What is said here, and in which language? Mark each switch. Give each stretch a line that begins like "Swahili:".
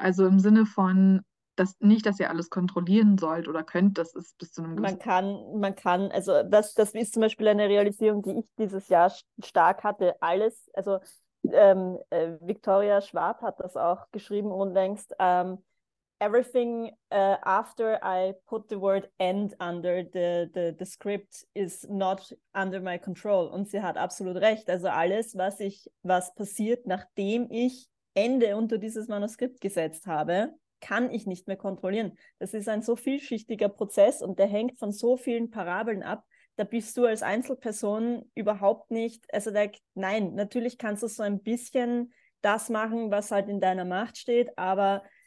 German: Also im Sinne von, dass nicht, dass ihr alles kontrollieren sollt oder könnt, das ist bis zu einem gewissen. Also das ist zum Beispiel eine Realisierung, die ich dieses Jahr stark hatte. Alles, also Victoria Schwab hat das auch geschrieben unlängst.
English: Everything after I put the word end under the script is not under my control.
German: Und sie hat absolut recht. Also alles, was passiert, nachdem ich Ende unter dieses Manuskript gesetzt habe, kann ich nicht mehr kontrollieren. Das ist ein so vielschichtiger Prozess und der hängt von so vielen Parabeln ab. Da bist du als Einzelperson überhaupt nicht, also da, nein, natürlich kannst du so ein bisschen das machen, was halt in deiner Macht steht, aber